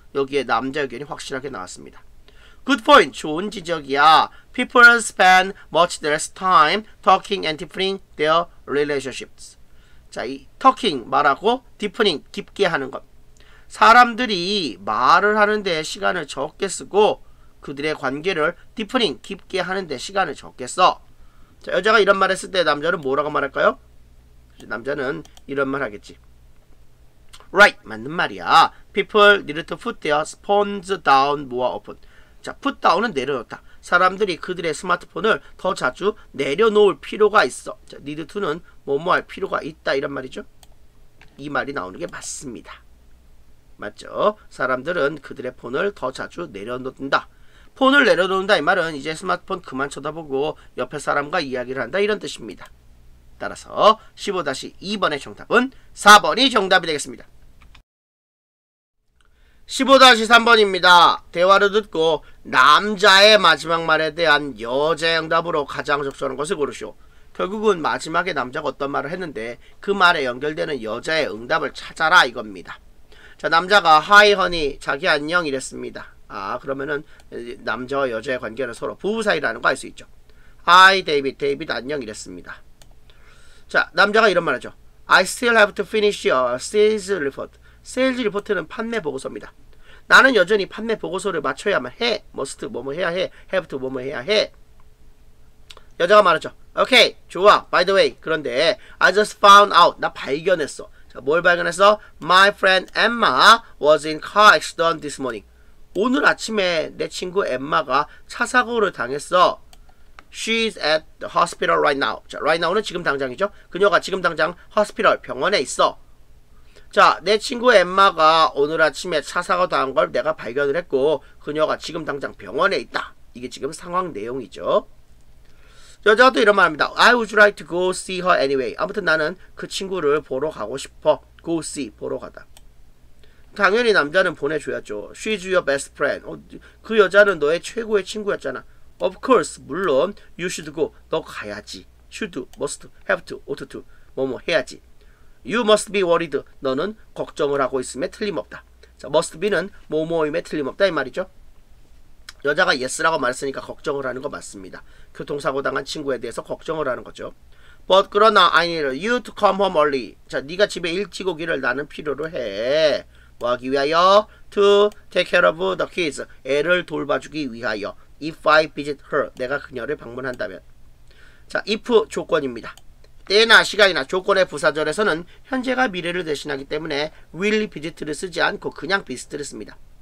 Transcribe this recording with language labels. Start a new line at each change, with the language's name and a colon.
Korean: 여기에 남자 의견이 확실하게 나왔습니다.
English: Good point.
Korean: 좋은 지적이야.
English: People spend much less time talking and deepening their relationships.
Korean: 자, 이 talking 말하고 deepening 깊게 하는 것. 사람들이 말을 하는 데 시간을 적게 쓰고 그들의 관계를 디프닝 깊게 하는 데 시간을 적게 써. 자, 여자가 이런 말 했을 때 남자는 뭐라고 말할까요? 남자는 이런 말 하겠지. Right, 맞는 말이야.
English: People need to put their phones down more often.
Korean: 자, put down은 내려놓다. 사람들이 그들의 스마트폰을 더 자주 내려놓을 필요가 있어. 자, need to는 뭐뭐 할 필요가 있다 이런 말이죠. 이 말이 나오는 게 맞습니다. 맞죠? 사람들은 그들의 폰을 더 자주 내려놓는다. 폰을 내려놓는다 이 말은 이제 스마트폰 그만 쳐다보고 옆에 사람과 이야기를 한다 이런 뜻입니다. 따라서 15-2번의 정답은 4번이 정답이 되겠습니다. 15-3번입니다. 대화를 듣고 남자의 마지막 말에 대한 여자의 응답으로 가장 적절한 것을 고르시오. 결국은 마지막에 남자가 어떤 말을 했는데 그 말에 연결되는 여자의 응답을 찾아라 이겁니다. 자, 남자가 하이 허니 자기 안녕 이랬습니다. 아, 그러면은 남자와 여자의 관계는 서로 부부 사이라는 거 알 수 있죠. 하이 데이빗, 데이빗 안녕 이랬습니다. 자, 남자가 이런 말하죠.
English: I still have to finish your sales report.
Korean: 세일즈 리포트는 판매 보고서입니다. 나는 여전히 판매 보고서를 마쳐야만 해. Must 뭐뭐 해야 해. Have to 뭐뭐 해야 해. 여자가 말하죠. Okay, 좋아.
English: By the way, 그런데 I just found out.
Korean: 나 발견했어. 자, 뭘 발견했어?
English: My friend Emma was in car accident this morning.
Korean: 오늘 아침에 내 친구 엠마가 차 사고를 당했어.
English: She's at the hospital right now. 자, right now는
Korean: 지금 당장이죠. 그녀가 지금 당장 hospital 병원에 있어. 자, 내 친구 엠마가 오늘 아침에 차 사고 당한 걸 내가 발견을 했고 그녀가 지금 당장 병원에 있다. 이게 지금 상황 내용이죠. 여자가 또 이런 말합니다.
English: I would like to go see her anyway.
Korean: 아무튼 나는 그 친구를 보러 가고 싶어. Go see, 보러 가다. 당연히 남자는 보내줘야죠.
English: She's your best friend.
Korean: 그 여자는 너의 최고의 친구였잖아.
English: Of course,
Korean: 물론
English: you should go.
Korean: 너 가야지.
English: Should, must, have to, ought to,
Korean: 뭐뭐 해야지.
English: You must be worried.
Korean: 너는 걱정을 하고 있음에 틀림없다. 자, must be는 뭐뭐임에 틀림없다 이 말이죠. 여자가 yes라고 말했으니까 걱정을 하는 거 맞습니다. 교통사고 당한 친구에 대해서 걱정을 하는 거죠.
English: But 그러나 I need you to come home early.
Korean: 자, 네가 집에 일찍 오기를 나는 필요로 해. 뭐 하기 위하여?
English: To take care of the kids.
Korean: 애를 돌봐주기 위하여.
English: If I visit her.
Korean: 내가 그녀를 방문한다면. 자, if 조건입니다. 때나 시간이나 조건의 부사절에서는 현재가 미래를 대신하기 때문에 will visit를 쓰지 않고 그냥 visit를 씁니다.